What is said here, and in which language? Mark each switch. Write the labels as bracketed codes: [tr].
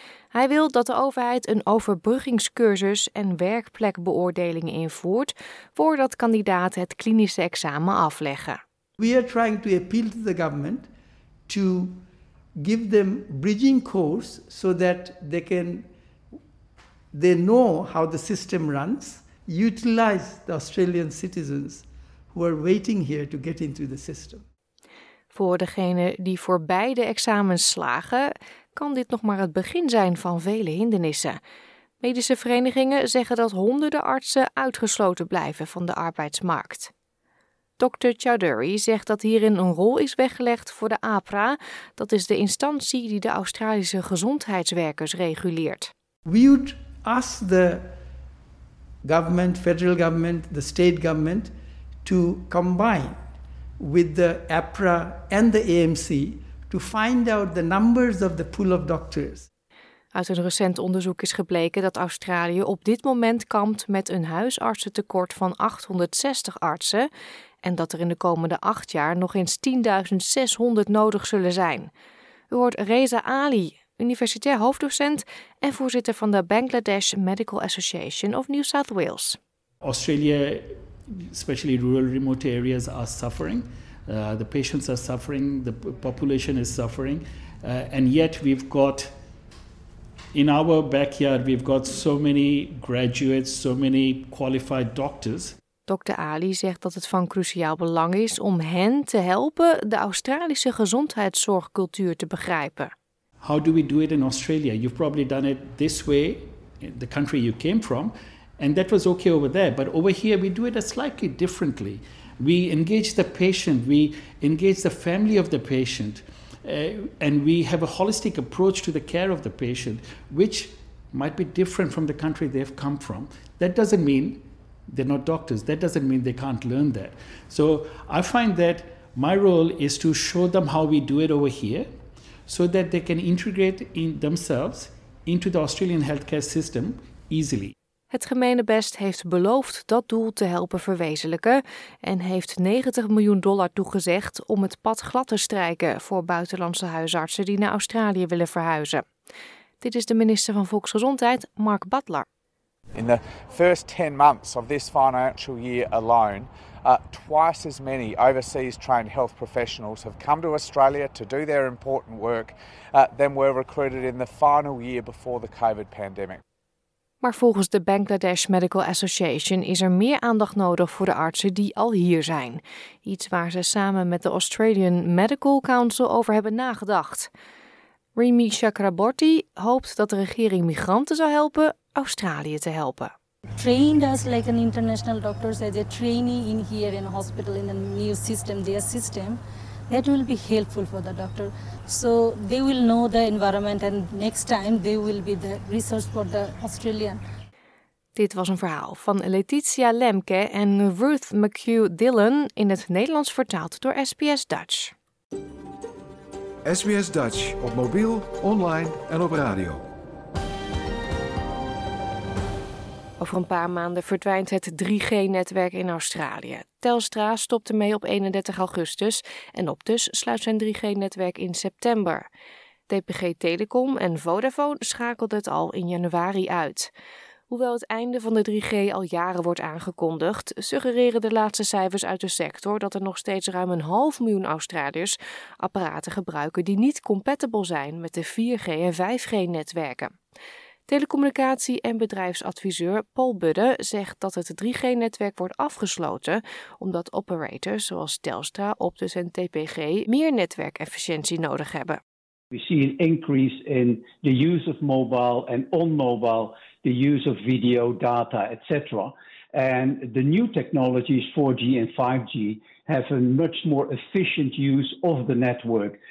[nl] Hij wil dat de overheid een overbruggingscursus en werkplekbeoordeling invoert voordat kandidaten het klinische examen afleggen. [en] We are trying to appeal to the government to give them bridging course so that they know how the system runs, utilize the Australian citizens who are waiting here to get into the system. [nl] Voor degene die voor beide examens slagen, kan dit nog maar het begin zijn van vele hindernissen. Medische verenigingen zeggen dat honderden artsen uitgesloten blijven van de arbeidsmarkt. Dr. Chowdhury zegt dat hierin een rol is weggelegd voor de APRA. Dat is de instantie die de Australische gezondheidswerkers reguleert. [en] We would ask the government, federal government, the state government to combine with the APRA and the AMC to find out the numbers of the pool of doctors. [nl] Uit een recent onderzoek is gebleken dat Australië op dit moment kampt met een huisartsentekort van 860 artsen en dat er in de komende 8 jaar nog eens 10.600 nodig zullen zijn. U hoort Reza Ali, universitair hoofddocent en voorzitter van de Bangladesh Medical Association of New South Wales. [en] Australia, especially rural remote areas, are suffering. The patients are suffering, the population is suffering. And yet we've got, in our backyard, we've got so many graduates, so many qualified doctors. [nl] Dr. Ali zegt dat het van cruciaal belang is om hen te helpen de Australische gezondheidszorgcultuur te begrijpen. [en] How do we do it in Australia? You've probably done it this way, in the country you came from, and that was okay over there. But over here we do it slightly differently. We engage the patient, we engage the family of the patient, and we have a holistic approach to the care of the patient, which might be different from the country they've come from. That doesn't mean they're not doctors. That doesn't mean they can't learn that. So I find that my role is to show them how we do it over here, so that they can integrate in themselves into the Australian healthcare system easily. [nl] Het gemenebest heeft beloofd dat doel te helpen verwezenlijken en heeft $90 miljoen toegezegd om het pad glad te strijken voor buitenlandse huisartsen die naar Australië willen verhuizen. Dit is de minister van Volksgezondheid, Mark Butler. [en] In the first 10 months of this financial year alone, twice as many overseas trained health professionals have come to Australia to do their important work than were recruited in the final year before the COVID pandemic. [nl] Maar volgens de Bangladesh Medical Association is er meer aandacht nodig voor de artsen die al hier zijn. Iets waar ze samen met de Australian Medical Council over hebben nagedacht. Rimi Chakraborty hoopt dat de regering migranten zou helpen Australië te helpen. [en] Trained us like an international doctor, as a trainee in here in hospital in a new system, their system, that will be helpful for the doctor. So they will know the environment and next time they will be the resource for the Australian. [nl] Dit was een verhaal van Letitia Lemke en Ruth McHugh Dillon in het Nederlands vertaald door SBS Dutch. SBS Dutch op mobiel, online en op radio. Over een paar maanden verdwijnt het 3G-netwerk in Australië. Telstra stopt ermee op 31 augustus en Optus sluit zijn 3G-netwerk in september. DPG Telecom en Vodafone schakelden het al in januari uit. Hoewel het einde van de 3G al jaren wordt aangekondigd, suggereren de laatste cijfers uit de sector dat er nog steeds ruim 500.000 Australiërs apparaten gebruiken die niet compatible zijn met de 4G en 5G-netwerken. Telecommunicatie- en bedrijfsadviseur Paul Budde zegt dat het 3G-netwerk wordt afgesloten omdat operators zoals Telstra, Optus en TPG meer netwerkefficiëntie nodig hebben. [en] We see an increase in the use of mobile and on mobile, the use of video data, etc. And the new technologies 4G and 5G have a much more efficient use of the network.